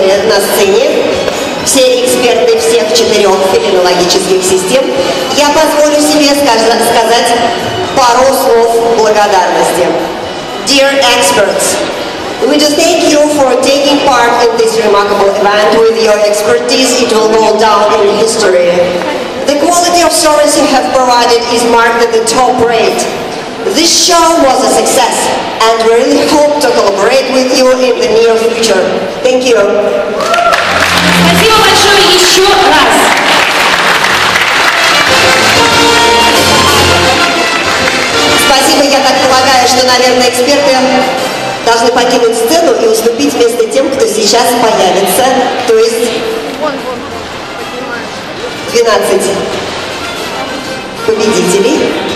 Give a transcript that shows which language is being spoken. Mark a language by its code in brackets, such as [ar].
[ru] На сцене все эксперты всех четырех фенологических систем, я позволю себе сказать пару слов благодарности. [en] Dear experts, we just thank you for taking part in this remarkable event. With your expertise, it will go down in history. The quality of service you have provided is marked at the top rate. This show was a success, and we really hope to collaborate with you in the near future. Thank you. [ru] Спасибо большое еще раз. Спасибо, я так полагаю, что, наверное, эксперты должны покинуть сцену и уступить место тем, кто сейчас появится, то есть 12 победителей.